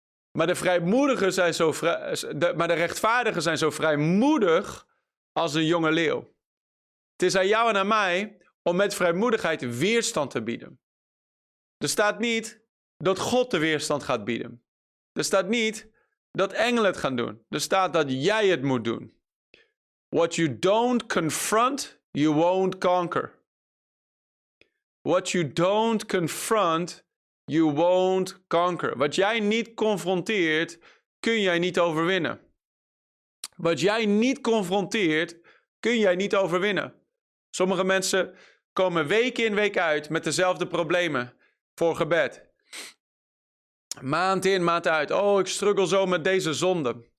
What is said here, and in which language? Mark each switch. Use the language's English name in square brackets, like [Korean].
[Dutch] Maar de vrijmoedigen zijn zo maar de rechtvaardigen zijn zo vrijmoedig als een jonge leeuw. Het is aan jou en aan mij om met vrijmoedigheid weerstand te bieden. Er staat niet dat God de weerstand gaat bieden. Er staat niet dat engelen het gaan doen. Er staat dat jij het moet doen. [English] What you don't confront, you won't conquer. What you don't confront, you won't conquer. [Dutch] Wat jij niet confronteert, kun jij niet overwinnen. Wat jij niet confronteert, kun jij niet overwinnen. Sommige mensen komen week in week uit met dezelfde problemen voor gebed. Maand in, maand uit. Oh, ik struggle zo met deze zonde.